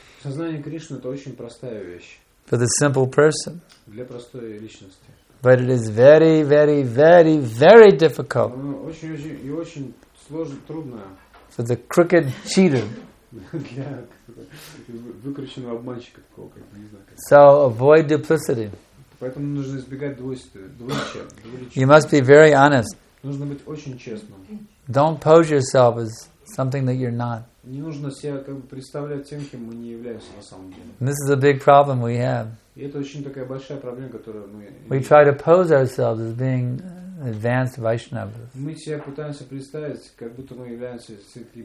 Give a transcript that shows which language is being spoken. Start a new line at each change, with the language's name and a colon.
Russian: Сознание Кришны — это очень простая вещь.
English: For the simple person.
Russian: Для простой личности.
English: But it is very, very, very, very difficult.
Russian: Очень-очень и очень сложно, трудно.
English: For the crooked cheater.
Russian: Для выкрученного обманщика такого, как, не знаю.
English: So avoid duplicity.
Russian: Поэтому нужно избегать двуличия.
English: You must be very honest.
Russian: Нужно быть очень честным.
English: Don't pose yourself as something that you're not.
Russian: Не нужно себя как бы представлять тем, кем мы не являемся на самом деле.
English: This is a big problem we have.
Russian: И это очень такая большая проблема, которую мы.
English: We try to pose ourselves as being advanced Vaishnavas.
Russian: Мы себя пытаемся представить, как будто мы являемся святыми